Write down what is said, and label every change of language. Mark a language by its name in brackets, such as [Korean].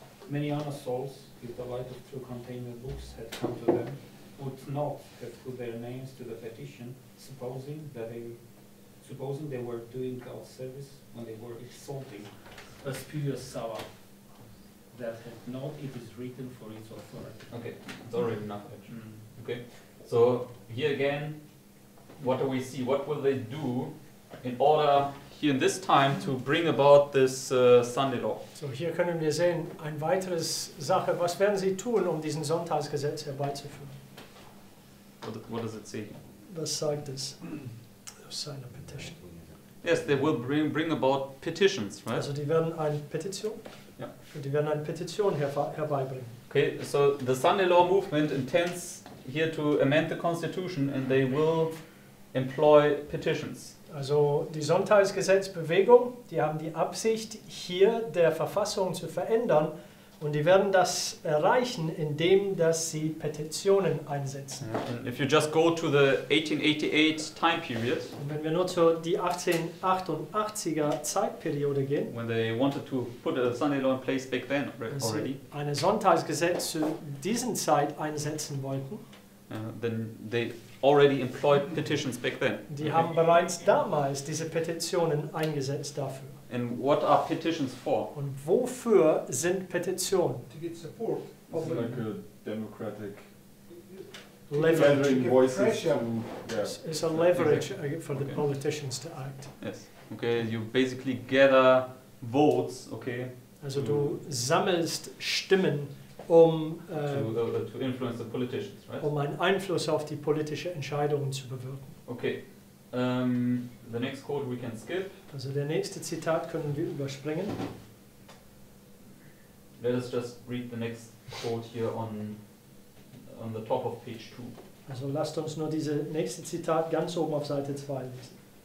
[English] many other souls, if the light of true containment books had come to them, would not have put their names to the petition, supposing they were doing God's service when they were exalting a spurious Sava that had not it is written for its authority. Okay, it's already enough, actually. Mm. Okay, so here again, what do we see? What will they do in order here in this time to bring about this Sunday law? [German] So here können wir sehen, ein weiteres Sache, was werden sie tun, um diesen Sonntagsgesetz herbeizuführen? [English] What does it say? [German] Was sagt es? [English] Sign a petition. Yes, they will bring about petitions, right? [German] Also die werden eine Petition? Ja. Yeah. Die werden eine Petition herbeibringen. [English] Okay, so the Sunday law movement intends here to amend the constitution and they will employ petitions. [German] Also die Sonntagsgesetzbewegung, die haben die Absicht, hier der Verfassung zu verändern, und die werden das erreichen, indem dass sie Petitionen einsetzen. [English] And if you just go to the 1888 time period, [German] und wenn wir nur zu die 1888er Zeitperiode gehen, [English] when they wanted to put a Sunday law in place back then already, [German] eine Sonntagsgesetz zu diesen Zeit einsetzen wollten, [English] then they already employed petitions back then. [German] Die haben bereits damals diese Petitionen eingesetzt dafür. [English] And what are petitions for? [German] Und wofür sind Petitionen? [English] To get support. It's like a democratic leverage. Gathering voices. It's a leverage for the politicians to act. Yes. Okay. You basically gather votes. Okay. [German] Also du sammelst Stimmen. Um, [English] to influence the politicians, right? [German] Um einen Einfluss auf die politische Entscheidung zu bewirken. [English] Okay. The next quote we can skip. [German] Also der nächste Zitat können wir überspringen. [English] Let us just read the next quote here on the top of page 2. [German] Also lasst uns nur diese nächste Zitat ganz oben auf Seite 2 lesen.